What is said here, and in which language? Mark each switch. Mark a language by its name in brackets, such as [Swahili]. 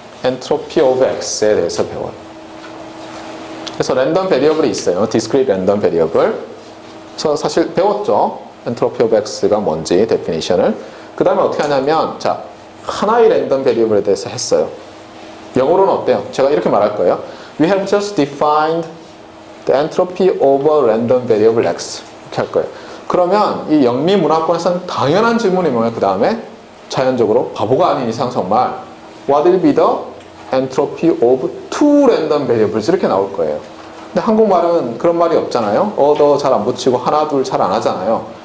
[Korean] Entropy of X에 대해서 배워요. 그래서 랜덤 variable이 있어요. Discrete Random Variable. 그래서 사실 배웠죠. 엔트로피 오브 X가 뭔지 데피니션을. 그 다음에 어떻게 하냐면, 자, 하나의 랜덤 베리어블에 대해서 했어요. 영어로는 어때요? 제가 이렇게 말할 거예요. [English] We have just defined the entropy over random variable X. [Korean] 이렇게 할 거예요. 그러면 이 영미 문화권에서는 당연한 질문이 뭐냐? 그 다음에 자연적으로 바보가 아닌 이상 정말 [English] What will be the entropy of two random variables? [Korean] 이렇게 나올 거예요. 근데 한국말은 그런 말이 없잖아요. 더 잘 안 붙이고 하나 둘 잘 안 하잖아요.